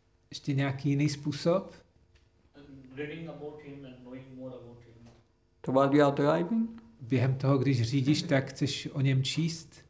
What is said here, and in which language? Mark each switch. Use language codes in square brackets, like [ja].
[cs] Ještě nějaký jiný způsob? [en] Reading about him and knowing more about him. To while you are driving? [cs] Během toho, když řídíš, tak chceš o něm číst?